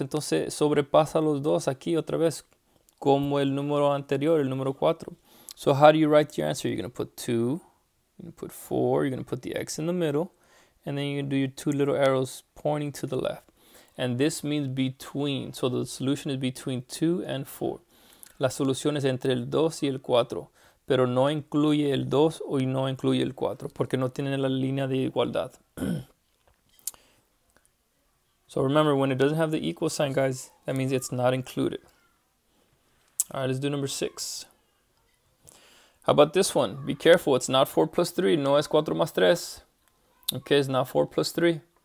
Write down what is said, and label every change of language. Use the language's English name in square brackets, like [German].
[Spanish] Entonces, sobrepasa los dos aquí otra vez. Como el número anterior, el número 4. [English] So how do you write your answer? You're going to put 2, you're going to put 4, you're going to put the x in the middle, and then you're going to do your two little arrows pointing to the left. And this means between. So the solution is between 2 and 4. [Spanish] La solución es entre el 2 y el 4, pero no incluye el 2 y no incluye el 4, porque no tiene la línea de igualdad. [English] So remember, when it doesn't have the equal sign, guys, that means it's not included. All right, let's do number 6. How about this one? Be careful, it's not 4 plus 3. [Spanish] No es 4 más 3. [English] Okay, it's not 4 plus 3.